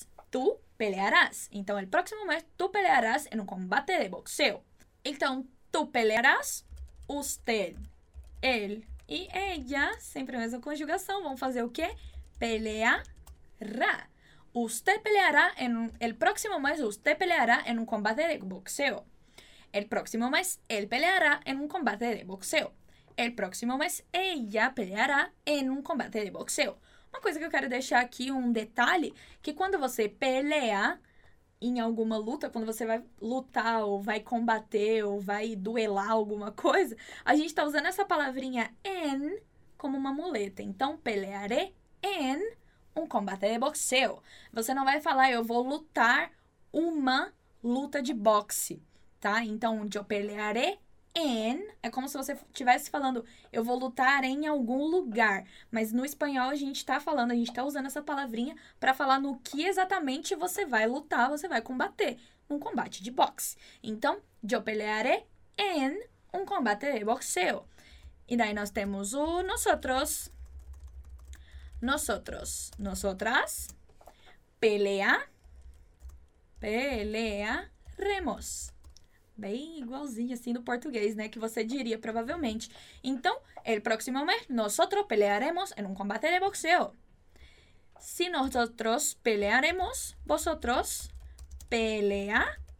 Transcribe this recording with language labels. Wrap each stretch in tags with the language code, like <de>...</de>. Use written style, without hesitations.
<es>Tú pelearás. Então el próximo mes tú pelearás en un combate de boxeo.</es> <pt>Então</pt> <es>tú pelearás, usted, él y ella,</es> <pt>sempre a mesma conjugação, vão fazer o quê?</pt> <es>Pelearás. Usted peleará en el próximo mes, usted peleará en un combate de boxeo. El próximo mes, él peleará en un combate de boxeo. El próximo mes, ella peleará en un combate de boxeo.</es> <pt>Uma coisa que eu quero deixar aqui, um detalhe, que quando você pelear em alguma luta, quando você vai lutar ou vai combater ou vai duelar alguma coisa, a gente está usando essa palavrinha en como uma muleta.</pt> <es>Então, pelearé en um combate de boxeo.</es> <pt>Você não vai falar, eu vou lutar uma luta de boxe. Tá? Então,</pt> <es>yo pelearé en.</es> <pt>É como se você estivesse falando, eu vou lutar em algum lugar. Mas no espanhol a gente está falando, a gente está usando essa palavrinha para falar no que exatamente você vai lutar, você vai combater, num combate de boxe.</pt> <es>Então, yo pelearé en un combate de boxeo.</es> <pt>E daí nós temos o nosotros.</pt> <es>Nosotros. Nosotras.</es> <pt>Pelearemos. Bem igualzinho assim no português, né? Que você diria provavelmente.</pt> <es>Então, el próximo mes, nosotros pelearemos en un combate de boxeo. Si nosotros pelearemos, vosotros pelearéis.</es>